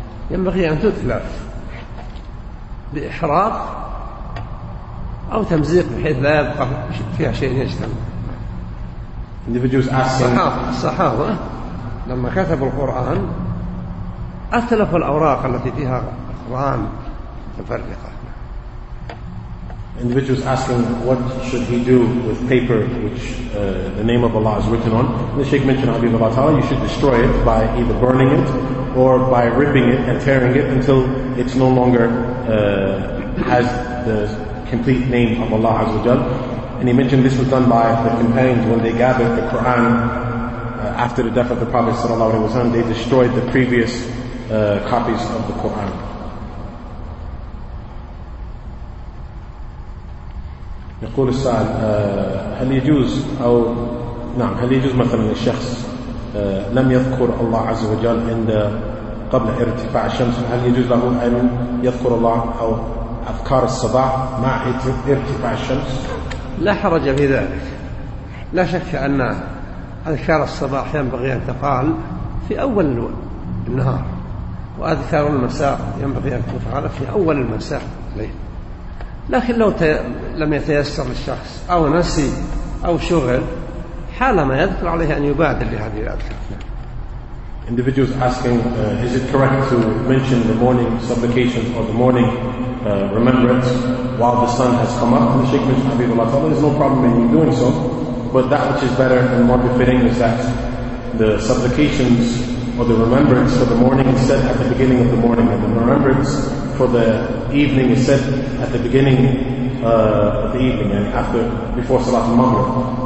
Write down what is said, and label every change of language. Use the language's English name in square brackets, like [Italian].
[Arabic] ينبغي أن تتلف بإحراق أو تمزيق بحيث لا يبقى فيها شيء يجتمع. الصحابة لما كتبوا القرآن أتلفوا الأوراق التي فيها أقران تفرقة. [English] Individuals asking what should he do with paper which the name of Allah is written on. The Shaykh mentioned Habib Allah Ta'ala, you should destroy it by either burning it or by ripping it and tearing it until it's no longer has the complete name of Allah Azza wa Jal. And he mentioned this was done by the companions when they gathered the Quran after the death of the Prophet sallallahu alaihi wasallam. They destroyed the previous copies of the Quran. [Arabic] يقول السائل هل يجوز أو نعم هل يجوز مثلا الشخص لم يذكر الله عز وجل عند قبل ارتفاع الشمس، هل يجوز له أن يذكر الله أو أذكار الصباح مع ارتفاع الشمس؟ لا حرج في ذلك، لا شك أن أذكار الصباح ينبغي أن تفعل في أول النهار، وأذكار المساء ينبغي أن تفعل في أول المساء ليه. لكن لو لم يتيسر للشخص أو نسي أو شغل، حالما يذكر عليه أن يبادر لهذه الأذكار. [English] Individuals asking, is it correct to mention the morning supplication or the morning remembrance while the sun has come up? And the Shaykh mentioned Habib Allah Ta'ala, there's no problem in you doing so, but that which is better and more befitting is that the supplications or the remembrance for the morning is said at the beginning of the morning, and the remembrance for the evening is said at the beginning of the evening and after, before Salat al-Maghrib.